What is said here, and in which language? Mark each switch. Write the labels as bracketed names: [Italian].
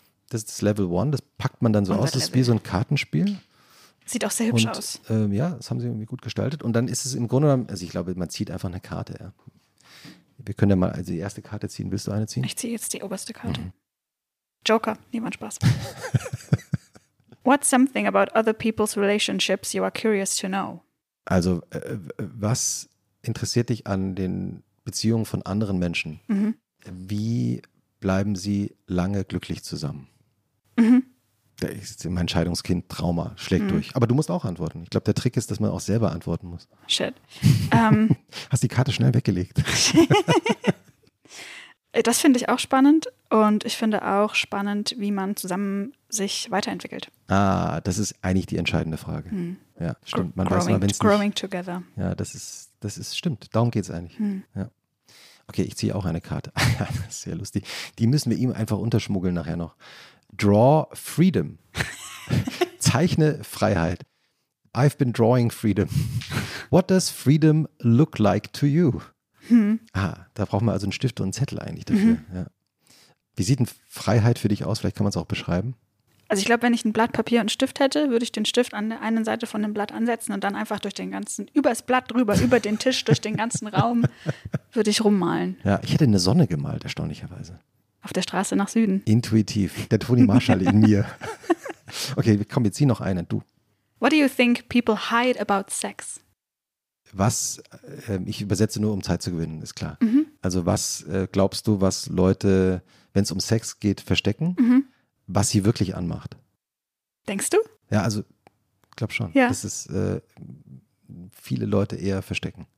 [German] Das ist das Level 1, das packt man dann so aus, das ist wie so ein Kartenspiel. Sieht auch sehr hübsch aus. Ja, das haben sie irgendwie gut gestaltet und dann ist es im Grunde genommen, also ich glaube, man zieht einfach eine Karte, ja. Wir können ja mal also die erste Karte ziehen. Willst du eine ziehen? Ich ziehe jetzt die oberste Karte. Mhm. Joker. Nee, macht Spaß. [English] What's something about other people's relationships you are curious to know? [German] Also, was interessiert dich an den Beziehungen von anderen Menschen? Mhm. Wie bleiben sie lange glücklich zusammen? Mhm. Da ist mein Scheidungskind Trauma. Schlägt durch. Aber du musst auch antworten. Ich glaube, der Trick ist, dass man auch selber antworten muss. Shit. Hast die Karte schnell weggelegt. Das finde ich auch spannend. Und ich finde auch spannend, wie man zusammen sich weiterentwickelt. Ah, das ist eigentlich die entscheidende Frage. Mhm. Ja, stimmt. Man weiß immer, wenn es [English] growing together. [German] Ja, das ist stimmt. Darum geht es eigentlich. Mhm. Ja. Okay, ich ziehe auch eine Karte. Sehr lustig. Die müssen wir ihm einfach unterschmuggeln nachher noch. [English] Draw freedom. [German] Zeichne Freiheit. [English] I've been drawing freedom. What does freedom look like to you? [German] Da brauchen wir also einen Stift und einen Zettel eigentlich dafür. Mhm. Ja. Wie sieht denn Freiheit für dich aus? Vielleicht kann man es auch beschreiben. Also ich glaube, wenn ich ein Blatt Papier und einen Stift hätte, würde ich den Stift an der einen Seite von dem Blatt ansetzen und dann einfach durch den ganzen, übers Blatt drüber, über den Tisch, durch den ganzen Raum, würde ich rummalen. Ja, ich hätte eine Sonne gemalt, erstaunlicherweise. Auf der Straße nach Süden. Intuitiv. Der Toni Marshall in mir. Okay, komm, wir ziehen noch einen. Du. [English] What do you think people hide about sex? [German] Was, ich übersetze nur, um Zeit zu gewinnen, ist klar. Mhm. Also was glaubst du, was Leute, wenn es um Sex geht, verstecken? Mhm. Was sie wirklich anmacht. Denkst du? Ja, also, ich glaube schon. Ja. Das ist, viele Leute eher verstecken.